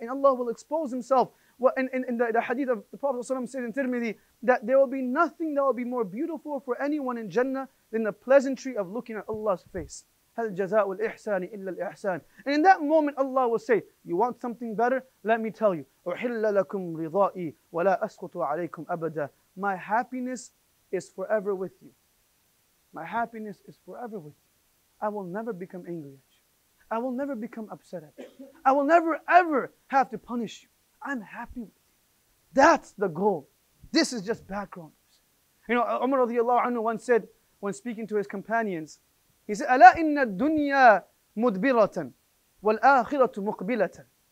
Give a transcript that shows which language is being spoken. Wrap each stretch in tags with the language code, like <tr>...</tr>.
<en>And Allah will expose himself. And the hadith of the Prophet ﷺ says in Tirmidhi that there will be nothing that will be more beautiful for anyone in Jannah than the pleasantry of looking at Allah's face.</en> <ar>هَلْ جَزَاءُ الْإِحْسَانِ إِلَّا الْإِحْسَانِ.</ar> <en>And in that moment, Allah will say, you want something better? Let me tell you.</en> <ar>أُحِلَّ لَكُمْ رِضَائِي وَلَا أَسْخُطُ عَلَيْكُمْ أَبَدًا.</ar> <en>My happiness is forever with you. My happiness is forever with you. I will never become angry at you. I will never become upset at you. I will never ever have to punish you. I'm happy with you. That's the goal. This is just background. You know, Umar radiallahu anhu once said, when speaking to his companions, he said,</en> <ar>أَلَا إِنَّ الدُّنْيَا مُدْبِرَةً وَالْآخِرَةُ مُقْبِلَةً.</ar>